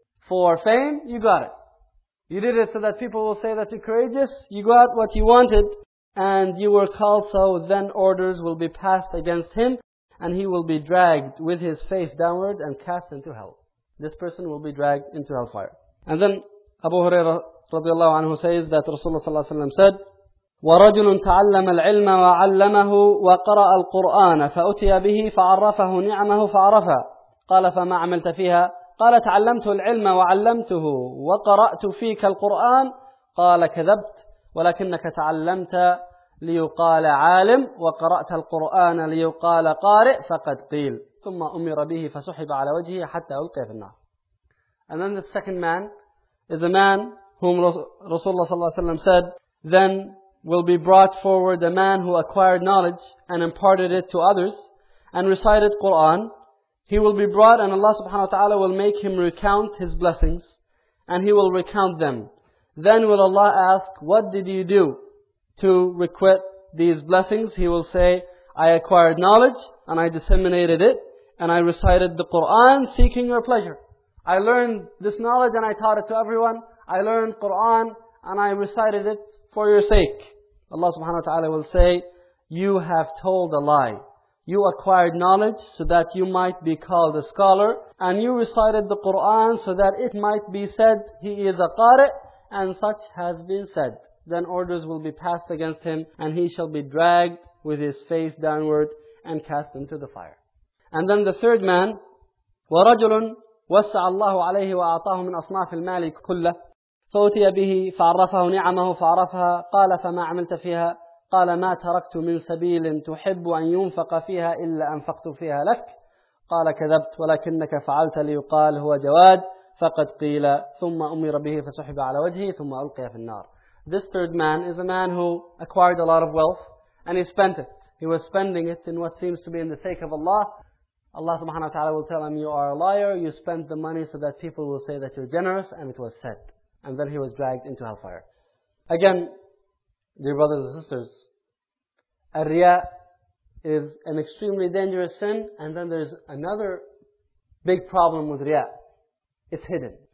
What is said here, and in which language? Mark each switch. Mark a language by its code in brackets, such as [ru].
[en] For fame, you got it. You did it so that people will say that you're courageous. You got what you wanted. And you were called so, then orders will be passed against him, and he will be dragged with his face downward and cast into hell. This person will be dragged into hellfire. And then Abu Huraira radiallahu anhu says that Rasulullah sallallahu alayhi wa sallam said, [ar] وَرَجُلٌ تَعَلَّمَ الْعِلْمَ وَعَلَّمَهُ وَقَرَأَ الْقُرْآنَ فَأُتِيَ بِهِ فَعَرَّفَهُ نِعْمَهُ فَعَرَفَهُ قَالَ فَمَا عَمِلْتَ فِيهَا قال تعلمت العلم وعلمته وقرأت فيك القرآن، قال كذبت، ولكنك تعلمت ليقال عالم وقرأت القرآن ليقال قارئ فقد قيل. ثم أمر به فسحب على وجهه حتى ألقي في النار. [en] And then the second man is a man whom Rasulullah صلى الله عليه وسلم said, then will be brought forward a man who acquired knowledge and imparted it to others and recited Quran. He will be brought and Allah subhanahu wa ta'ala will make him recount his blessings and he will recount them. Then will Allah ask, what did you do to requite these blessings? He will say, I acquired knowledge and I disseminated it and I recited the Quran seeking your pleasure. I learned this knowledge and I taught it to everyone. I learned Quran and I recited it for your sake. Allah subhanahu wa ta'ala will say, you have told a lie. You acquired knowledge so that you might be called a scholar, and you recited the Quran so that it might be said he is a qari', and such has been said. Then orders will be passed against him, and he shall be dragged with his face downward and cast into the fire. And then the third man, [ar] وَرَجُلٌ وَسَّعَ اللَّهُ عَلَيْهِ وَأَعْطَاهُ مِنْ أَصْنَافِ الْمَالِ كُلَّهُ فَأُتِيَ بِهِ فَعَرَّفَهُ نِعَمَهُ فَعَرَفَهَا قَالَ فَمَا عَمِلْتَ فِيهَا قال ما تركت من سبيل تحب أن ينفق فيها إلا أنفقت فيها لك قال كذبت ولكنك فعلت ليقال هو جواد فقد قيل ثم أمر به فسحب على وجهه ثم ألقي في النار. [en] This third man is a man who acquired a lot of wealth and he spent it. He was spending it in what seems to be in the sake of Allah. Allah subhanahu wa ta'ala will tell him, you are a liar, you spent the money so that people will say that you're generous, and it was said. And then he was dragged into hellfire. Again, dear brothers and sisters, Ar-Riya is an extremely dangerous sin, and then there's another big problem with Riya. It's hidden.